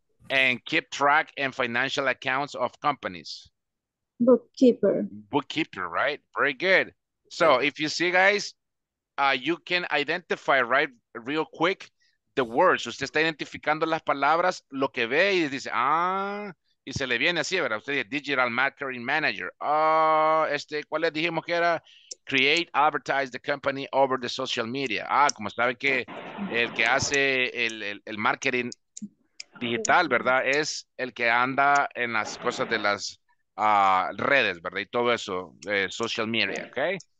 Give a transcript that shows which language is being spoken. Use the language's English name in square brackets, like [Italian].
[English] And keep track and financial accounts of companies. Bookkeeper, right? Very good. So if you see, guys, you can identify, right, real quick, the words. [Spanish] Usted está identificando las palabras, lo que ve y dice, ah, y se le viene así, ¿verdad? Usted dice, digital marketing manager. ¿Cuál le dijimos que era? [English] Create, advertise the company over the social media. [Spanish] Ah, como sabe que el que hace el marketing digital, ¿verdad? Es el que anda en las cosas de las redes, ¿verdad? Y todo eso, social media, ¿ok?